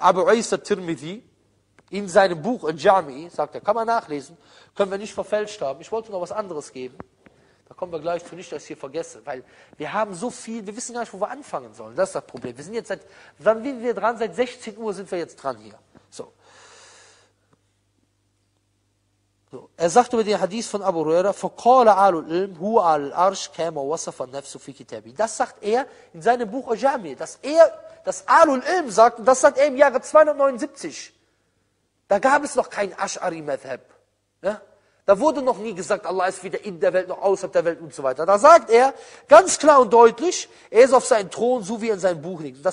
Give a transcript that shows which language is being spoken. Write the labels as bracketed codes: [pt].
[de] Abu Isa Tirmidhi, in seinem Buch, in Jami, sagt er, kann man nachlesen, können wir nicht verfälscht haben. Ich wollte noch was anderes geben. Da kommen wir gleich zu, nicht, dass ich hier vergesse, weil wir haben so viel, wir wissen gar nicht, wo wir anfangen sollen. Das ist das Problem. Wir sind jetzt seit, wann sind wir dran? Seit 16 Uhr sind wir jetzt dran hier. So. So. Er sagt über den Hadith von Abu Huraira, [ar] فَقَالَ عَلُوا الْإِلْمِ هُوَ عَلَى الْأَرْشِ كَمَا وَصَفَ النَّفْسُ فِي كِتَابِهِ. [de] Das sagt er in seinem Buch Ajami, dass er das Alul Ilm sagt, und das sagt er im Jahre 279. Da gab es noch kein Ash'ari-Madhab. Ja? Da wurde noch nie gesagt, Allah ist weder in der Welt noch außerhalb der Welt und so weiter. Da sagt er ganz klar und deutlich, er ist auf seinem Thron, so wie er in seinem Buch liegt.